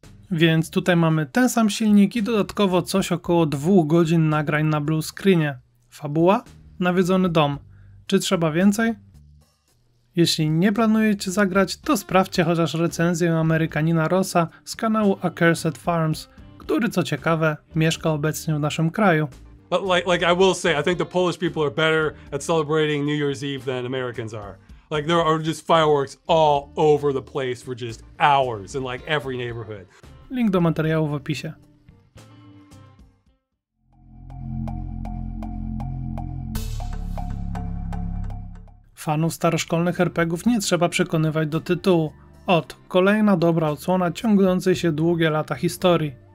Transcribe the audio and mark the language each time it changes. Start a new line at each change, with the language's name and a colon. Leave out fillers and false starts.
Polish: Więc tutaj mamy ten sam silnik i dodatkowo coś około 2 godzin nagrań na blue screenie. Fabuła? Nawiedzony dom. Czy trzeba więcej? Jeśli nie planujecie zagrać, to sprawdźcie chociaż recenzję Amerykanina Rosa z kanału Accursed Farms, który co ciekawe mieszka obecnie w naszym kraju.
English: But like I will say, I think the Polish people are better at celebrating New Year's Eve than Americans are. Like there are just fireworks all over the place for just hours in like every neighborhood.
Polish: Link do materiału w opisie. Fanów staroszkolnych RPGów nie trzeba przekonywać do tytułu. Ot, kolejna dobra odsłona ciągnącej się długie lata historii.